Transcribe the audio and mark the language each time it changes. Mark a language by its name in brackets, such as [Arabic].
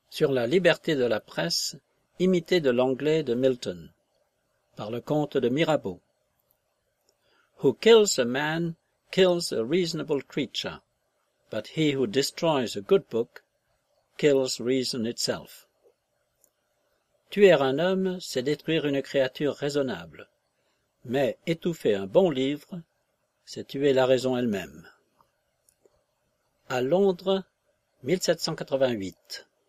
[French] Sur la liberté de la presse, imité de l'anglais de Milton, par le comte de Mirabeau. [English] Who kills a man kills a reasonable creature, but he who destroys a good book kills reason itself. [French] Tuer un homme, c'est détruire une créature raisonnable, mais étouffer un bon livre, c'est tuer la raison elle-même. À Londres, 1788.